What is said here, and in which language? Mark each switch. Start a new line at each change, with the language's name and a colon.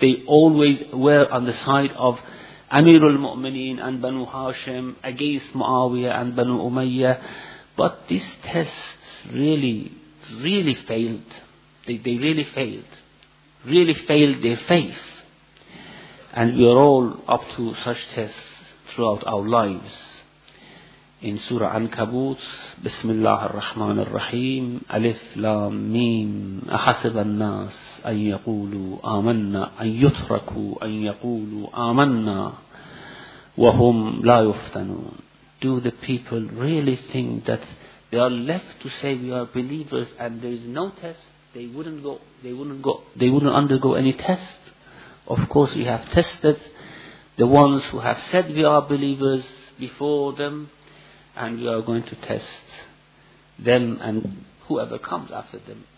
English: They always were on the side of Amirul Mu'mineen and Banu Hashim against Muawiyah and Banu Umayyah. But this test really, really failed. They really failed. Really failed their faith. And we are all up to such tests throughout our lives. In Surah Ankabut,
Arabic: Bismillah ar-Rahman ar-Rahim, Alif Lam Mim, أحسب الناس أن يقولوا آمنا أن يتركوا أن يقولوا آمنا وهم لا يفتنون.
English: Do the people really think that they are left to say we are believers and there is no test? They wouldn't undergo any test. Of course, we have tested the ones who have said we are believers before them, and we are going to test them and whoever comes after them.